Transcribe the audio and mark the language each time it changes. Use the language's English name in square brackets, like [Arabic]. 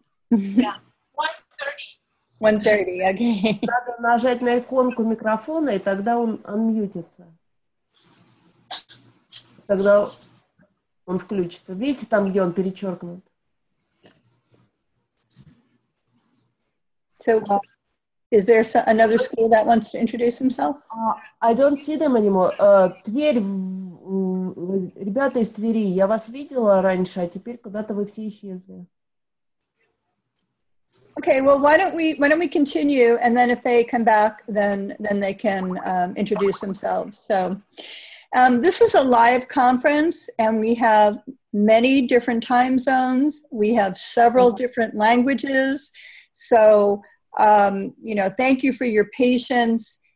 [English] Yeah, 1:30. 1:30, okay. [Russian] Надо нажать на иконку микрофона, и тогда он отмьютится. Тогда он включится. Видите, там, где он перечеркнут? [English] So, is there another school that wants to introduce himself? I don't see them anymore. [Russian] Тверь, ребята из Твери, я вас видела раньше, а теперь куда-то вы все исчезли. [English] Okay, well, why don't we continue, and then if they come back, then they can introduce themselves. So, this is a live conference, and we have many different time zones. We have several different languages. So, you know, thank you for your patience.